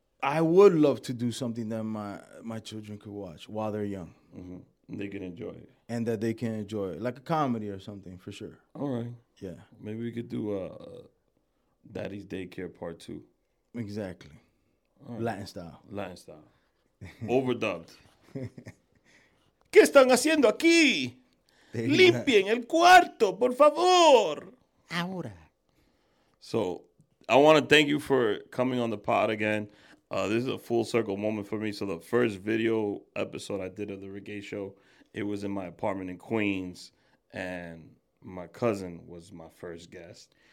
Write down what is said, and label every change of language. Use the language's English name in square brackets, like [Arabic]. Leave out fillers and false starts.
[English] I would love to do something that my children could watch while they're young. Mm-hmm. And they can enjoy it. And that they can enjoy it. Like a comedy or something, for sure. All right. Yeah. Maybe we could do a Daddy's Daycare Part 2. Exactly. Right. Latin style. Overdubbed. [Spanish] ¿Qué están haciendo aquí? Limpien el cuarto, por favor. Ahora. [English] So, I want to thank you for coming on the pod again. This is a full circle moment for me. So, the first video episode I did of the Reggae Show, it was in my apartment in Queens. And my cousin was my first guest.